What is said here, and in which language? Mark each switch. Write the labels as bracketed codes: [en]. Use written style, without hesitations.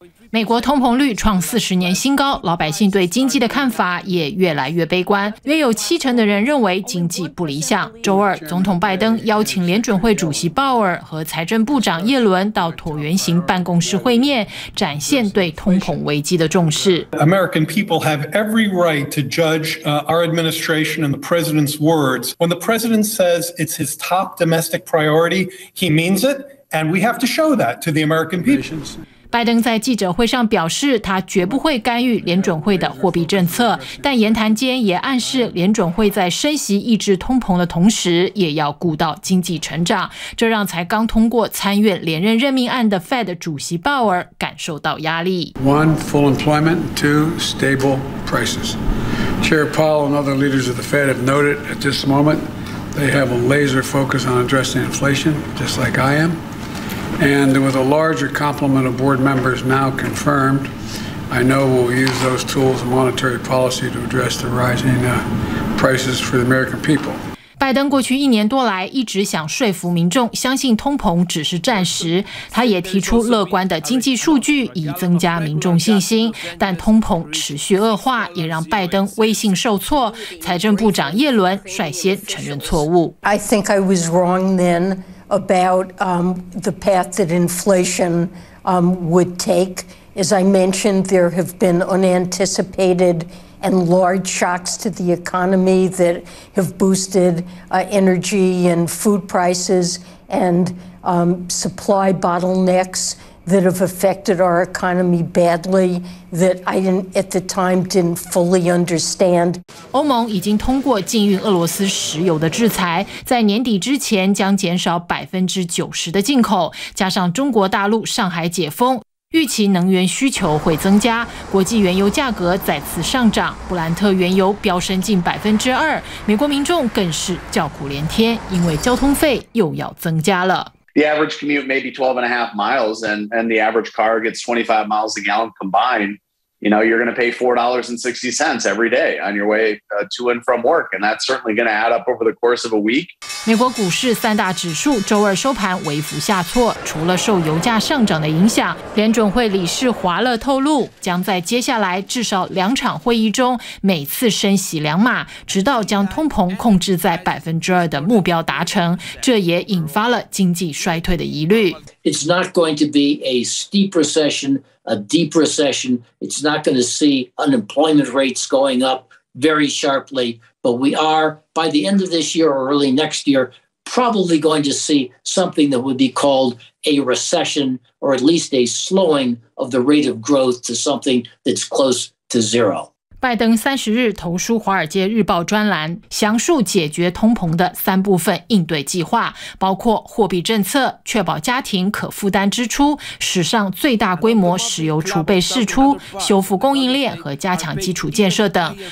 [zh] 美国通膨率创40年新高，老百姓对经济的看法也越来越悲观。约有70%的人认为经济不理想。周二，总统拜登邀请联准会主席鲍尔和财政部长耶伦到椭圆形办公室会面，展现对通膨危机的重视。 [en] American people have every right to judge our administration and the president's words. When the president says it's his top domestic priority, he means it, and we have to show that to the American people. [zh] 拜登在记者会上表示，他绝不会干预联准会的货币政策，但言谈间也暗示联准会在升息抑制通膨的同时，也要顾到经济成长。这让才刚通过参院连任任命案的 Fed 主席鲍尔感受到压力。 [en] One, full employment. Two, stable prices. Chair Powell and other leaders of the Fed have noted at this moment they have a laser focus on addressing inflation, just like I am. And with a larger complement of board members now confirmed, I know we'll use those tools of monetary policy to address the rising prices for the American people. [zh] 拜登过去一年多来一直想说服民众相信通膨只是暂时，他也提出乐观的经济数据以增加民众信心，但通膨持续恶化也让拜登威信受挫，财政部长耶伦率先承认错误。 [en] I think I was wrong then about the path that inflation would take. As I mentioned, there have been unanticipated and large shocks to the economy that have boosted energy and food prices and supply bottlenecks that have affected our economy badly that I didn't at the time didn't fully understand. [zh] 欧盟已经通过禁运俄罗斯石油的制裁，在年底之前将减少90%的进口，加上中国大陆上海解封，预期能源需求会增加，国际原油价格再次上涨，布兰特原油飙升近2%，美国民众更是叫苦连天，因为交通费又要增加了。 [en] The average commute may be 12.5 miles, and the average car gets 25 miles a gallon combined. You know, you're going to pay $4.60 every day on your way to and from work, and that's certainly going to add up over the course of a week. [zh] 美国股市三大指数周二收盘微幅下挫，除了受油价上涨的影响，联准会理事华勒透露，将在接下来至少2场会议中每次升息2码，直到将通膨控制在2%的目标达成，这也引发了经济衰退的疑虑。 [en] It's not going to be a steep recession, a deep recession. It's not going to see unemployment rates going up. very sharply, but we are, by the end of this year or early next year, probably going to see something that would be called a recession, or at least a slowing of the rate of growth to something that's close to zero. [zh] 拜登30日投书《华尔街日报》专栏，详述解决通膨的三部分应对计划，包括货币政策、确保家庭可负担支出、史上最大规模石油储备释出、修复供应链和加强基础建设等。